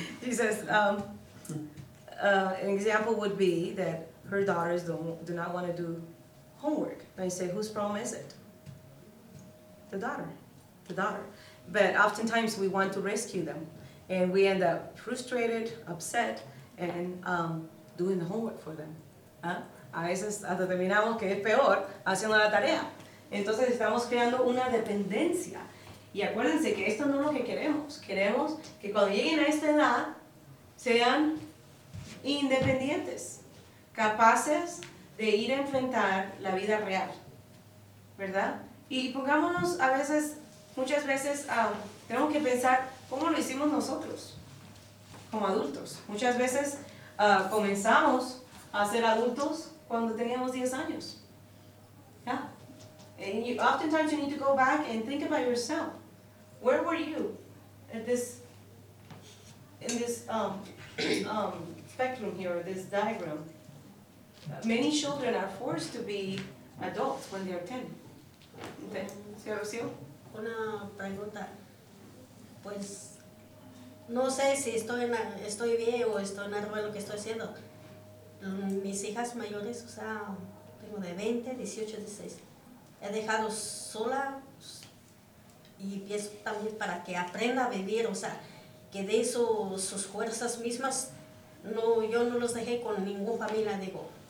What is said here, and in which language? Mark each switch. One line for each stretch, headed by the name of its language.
English: Dices, an example would be that her daughters do not want to do homework. And I say, whose problem is it? The daughter. The daughter. But oftentimes we want to rescue them. And we end up frustrated, upset, and doing the homework for them.
Spanish: A veces hasta terminamos que es peor haciendo la tarea. Entonces estamos creando una dependencia. Y acuérdense que esto no es lo que queremos. Queremos que cuando lleguen a esta edad sean independientes, capaces de ir a enfrentar la vida real, ¿verdad? Y pongámonos a veces, muchas veces, tenemos que pensar cómo lo hicimos nosotros como adultos. Muchas veces comenzamos a ser adultos cuando teníamos 10 años.
English: Yeah. And oftentimes you need to go back and think about yourself. Where were you in this spectrum here, this diagram? Many children are forced to be adults when they are 10.
Spanish: ¿Sí, Rocío? Una pregunta. Pues, no sé si estoy bien o estoy nervioso lo que estoy haciendo. Mis hijas mayores, o sea, tengo de 20, 18, 16. He dejado sola y pienso también para que aprenda a vivir, o sea, que de sus fuerzas mismas, no, yo no los dejé con ninguna familia, digo.